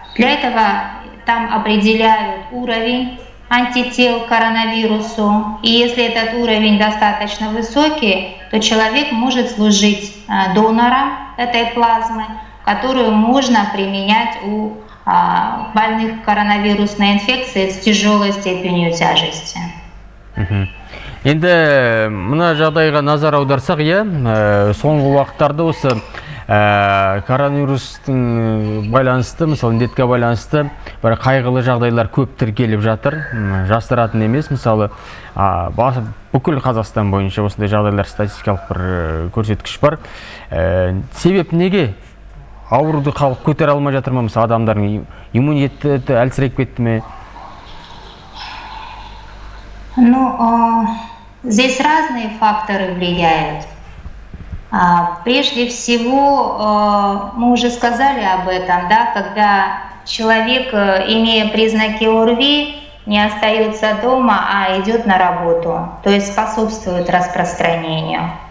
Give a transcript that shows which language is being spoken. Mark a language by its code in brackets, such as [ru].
[ru] Для этого там определяют уровень антител к коронавирусу. И если этот уровень достаточно высокий, то человек может служить донором этой плазмы, которую можно применять у больных коронавирусной инфекцией с тяжелой степенью тяжести. [kk] Енді мына жағдайға назар аударсақ, я соңғы уақыттарда осы коронавирустың байланысты, мысалы, індетке байланысты бір қайғылы жағдайлар көп тіркеліп жатыр, жасыратын емес. Мысалы, бүкіл Қазақстан бойынша осындай жағдайлар статистикалық бір көрсеткіш бар. Себеп неге ауруды халық көтере алмай жатыр ма, мысалы адамдардың иммунитеті әлсіреп кетті ме? [ru] Ну, здесь разные факторы влияют. Прежде всего, мы уже сказали об этом, да, когда человек, имея признаки ОРВИ, не остается дома, а идет на работу, то есть способствует распространению.